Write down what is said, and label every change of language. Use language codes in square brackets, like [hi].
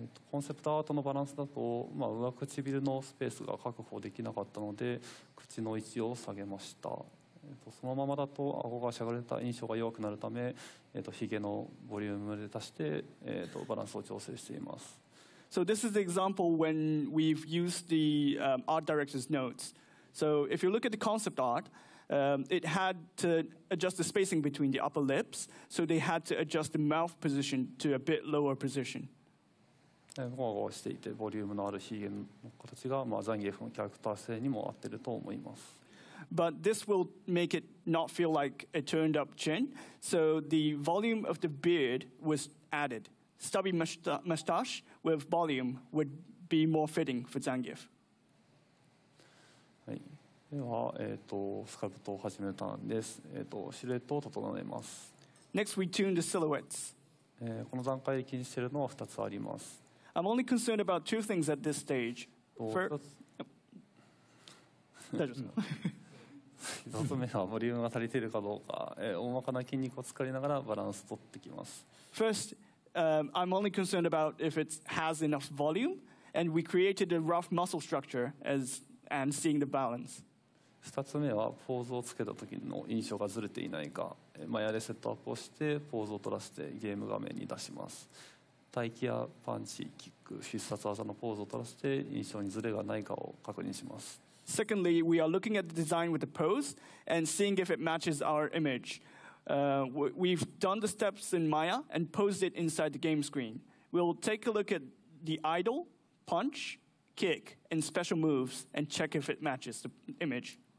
[ja] コンセプトアートのバランスだと、まあ、上唇のスペースが確保できなかったので口の位置を下げました。そのままだと顎がしゃがれた印象が弱くなるため、ヒゲのボリュームで足して、バランスを調整しています。 [en] So this is the example when we've used the、art director's notes. So if you look at the concept art、it had to adjust the spacing between the upper lips, so they had to adjust the mouth position to a bit lower position [ja] ゴワゴワしていてボリュームのあるヒゲの形が、まあ、ザンギエフのキャラクター性にも合っていると思います。 [en] But this will make it not feel like a turned up chin, so the volume of the beard was added. Stubby mustache with volume would be more fitting for ザンギエフ。 [ja] はい、では、スカルプトを始めたんです。シルエットを整えます。 [en] Next we tune the silhouettes. [ja] この段階で気にしているのは2つあります。 [en] I'm only concerned about two things at this stage. First, [ja] 一つ目はボリュームが足りているかどうか、大まかな筋肉を使いながらバランスを取ってきます。 [en] First, I'm only concerned about if it has enough volume, and we created a rough muscle structure as and seeing the balance. [ja] 二つ目はポーズをつけた時の印象がずれていないか、マヤでセットアップをしてポーズを取らせてゲーム画面に出します。待機やパンチ、キック、必殺技のポーズを取らせて印象にズレがないかを確認します。 [en] Secondly, we are looking at the design with the pose and seeing if it matches our image. We've done the steps in Maya and posed it inside the game screen. We'll take a look at the idle, punch, kick and special moves and check if it matches the image.